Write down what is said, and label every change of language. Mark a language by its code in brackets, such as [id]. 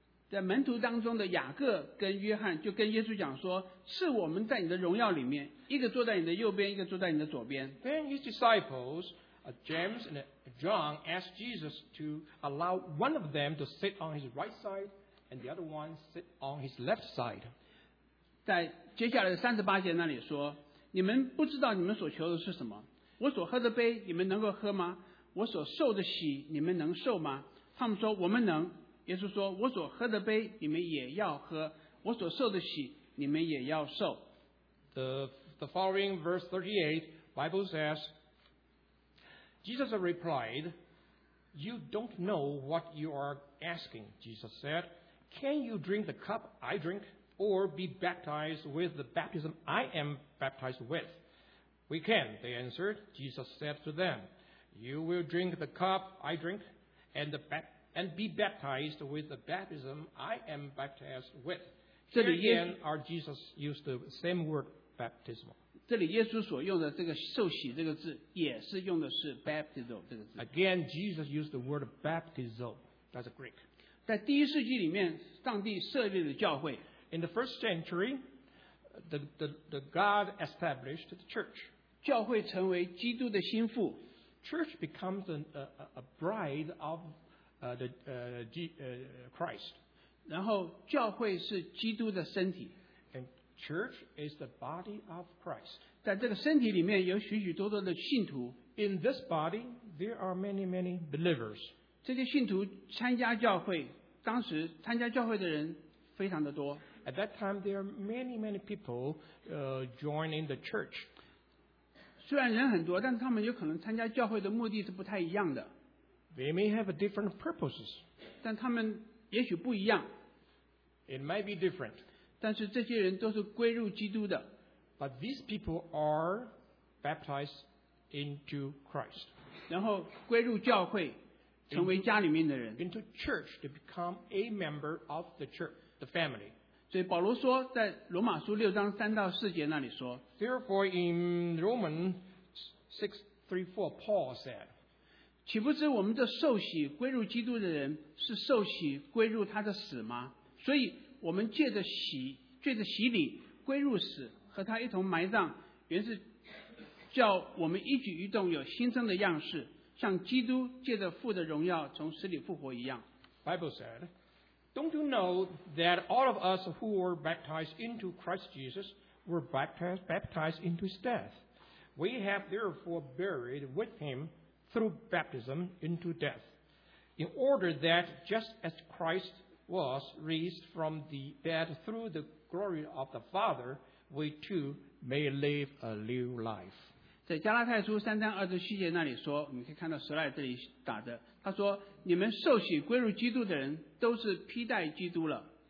[zh] 在门徒当中的雅各跟约翰就跟耶稣讲说是我们在你的荣耀里面一个坐在你的右边一个坐在你的左边 [en] Then his disciples, James and John asked Jesus to allow one of them to sit on his right sideAnd the other one sit on his left side. [zh] 在接下来的三十八节那里说，你们不知道你们所求的是什么。我所喝的杯，你们能够喝吗？我所受的洗，你们能受吗？他们说我们能。耶稣说，我所喝的杯，你们也要喝；我所受的洗，你们也要受。 [en] The following verse 38, Bible says, Jesus replied, "You don't know what you are asking." Jesus said. Can you drink the cup I drink or be baptized with the baptism I am baptized with? We can, they answered. Jesus said to them, You will drink the cup I drink and be baptized with the baptism I am baptized with. Here again, our Jesus used the same word, baptismal. [zh] 这里耶稣所用的这个受洗这个字也是用的是 baptizo 这个字。 [en] Again, Jesus used the word baptizo. That's a Greek. [zh] 在第一世纪里面，上帝设立了教会。 [en] In the first century, the God established the church. [zh] 教会成为基督的心腹。 [en] Church becomes a bride of Christ. [zh] 然后教会是基督的身体。 [en] And church is the body of Christ. [zh] 在这个身体里面有许许多多的信徒。 [en] In this body, there are many, many believers. [zh] 这些信徒参加教会，当时参加教会的人非常的多。 [en] At that time, there are many, many people, joining the church. [zh] 虽然人很多，但是他们有可能参加教会的目的是不太一样的。 [en] They may have different purposes. [zh] 但他们也许不一样。 [en] It might be different. [zh] 但是这些人都是归入基督的。 [en] But these people are baptized into Christ. [zh] 然后归入教会。成为家里面的人 [en] into church to become a member of the church, the family. [zh] 所以保罗说，在罗马书六章三到四节那里说 [en] Therefore, in Romans 6:3-4, Paul said, [zh] 岂不知我们这受洗归入基督的人是受洗归入他的死吗？所以我们借着洗礼归入死，和他一同埋葬，原是叫我们一举一动有新生的样式。像基督借着父的荣耀从死里复活一样。 [en] Bible said, Don't you know that all of us who were baptized into Christ Jesus were baptized into his death? We have therefore buried with him through baptism into death, in order that just as Christ was raised from the dead through the glory of the Father, we too may live a new life. [zh] 在加拉太书三章二十七节那里说，你可以看到十来这里打的，他说：“你们受洗归入基督的人，都是披戴基督了。